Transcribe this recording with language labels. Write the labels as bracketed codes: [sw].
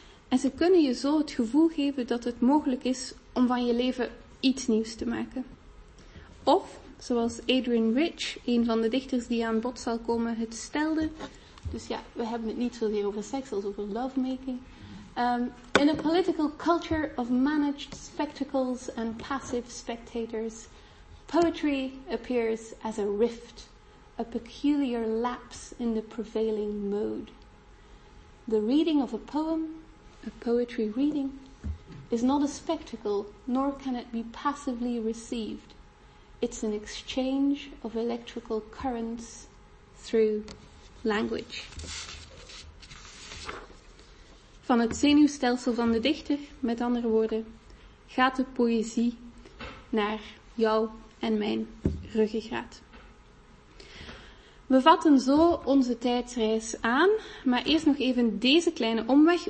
[nl] En ze kunnen je zo het gevoel geven dat het mogelijk is om van je leven iets nieuws te maken. Of, zoals Adrian Rich, een van de dichters die aan bod zal komen, het stelde. Dus ja, we hebben het niet zozeer over seks als over lovemaking. [en] In a political culture of managed spectacles and passive spectators, poetry appears as a rift, a peculiar lapse in the prevailing mode. The reading of a poem, a poetry reading, is not a spectacle, nor can it be passively received. It's an exchange of electrical currents through language. [nl] Van het zenuwstelsel van de dichter, met andere woorden, gaat de poëzie naar jou en mijn ruggengraat. We vatten zo onze tijdsreis aan, maar eerst nog even deze kleine omweg.